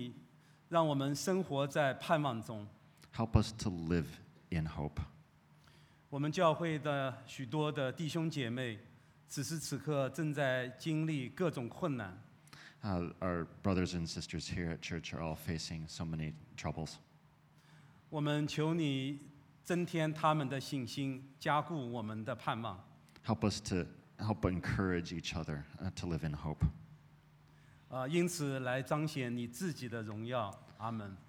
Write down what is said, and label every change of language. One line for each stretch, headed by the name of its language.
Chinese: 天父，我们求你让我们生活在盼望中。
English: Help us to live in hope.
Chinese: 我们教会的许多的弟兄姐妹此时此刻正在经历各种困难。
English: Our brothers and sisters here at church are all facing so many troubles.
Chinese: 我们求你增添他们的信心，加固我们的盼望。
English: Help encourage each other to live in hope.
Chinese: 因此来彰显你自己的荣耀，阿们。